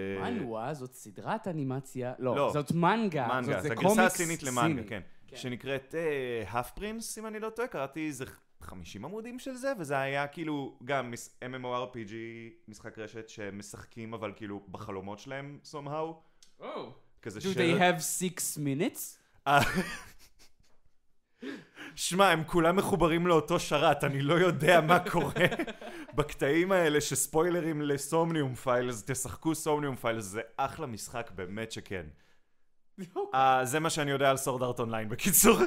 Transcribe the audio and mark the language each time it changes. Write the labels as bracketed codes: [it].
[he] מנואה זאת סדרת אנימציה, לא, זאת מנגה. מנגה, זאת הגרסה הסינית למנגה, כן. שנקראת Half Prince, אם אני לא טועה, קראתי איזה 50 עמודים של זה, וזה היה כאילו גם MMORPG, משחק רשת שמשחקים, אבל כאילו בחלומות שלהם, [en] somehow. [he] כזה שרת. [en] Do they have 6 minutes? [he] שמע, הם כולם מחוברים לאותו שרת, אני לא יודע מה קורה בקטעים האלה שספוילרים לסומניום פיילס, תשחקו סומניום פיילס, זה אחלה משחק, באמת שכן. זה מה שאני יודע על סורד ארט אונליין, בקיצור.